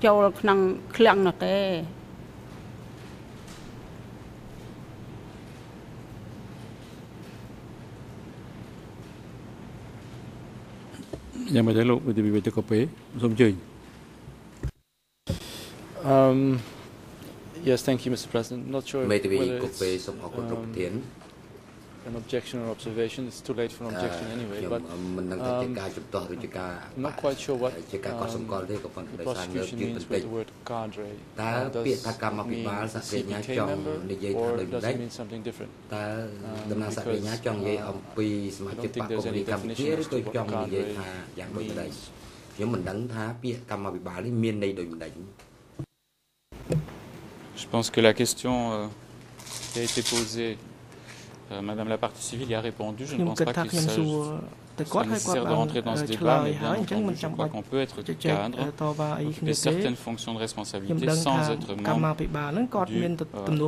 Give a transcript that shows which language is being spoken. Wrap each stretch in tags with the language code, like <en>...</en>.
<km>កណ្ណវុឌ្ឍគឺប្តីខ្ញុំមានតួនាទីពិតមែនចាឯងដល់ពេលដាច់75ប្តីខ្ញុំចូលនៅក្នុងផ្សាររត់នេះគឺជាកម្មករធម្មតាសមាជិករបស់គេគណនថាប្រមូលលទ្ធផលបញ្ចូលក្នុងឃ្លាំងនោះទេ</km> <en>Yes, thank you, Mr. President. Not sure whether it's an objection or observation. It's too late for an objection anyway, but I'm not quite sure what the prosecution means with the word cadre. Does it mean CPK member, or does it mean something different? Because I don't think there's any definition as to what cadre means. Nếu mình đánh thá bia cam mà bị bà lấy miên đây đội mình đánh.</en> <fr>Je pense que la question qui a été posée, Madame la partie civile y a répondu. Je ne pense pas qu'il s'agisse nécessaire de rentrer dans ce débat, mais bien entendu, je crois qu'on peut être du cadre, occuper certaines fonctions de responsabilité sans être membre du</fr>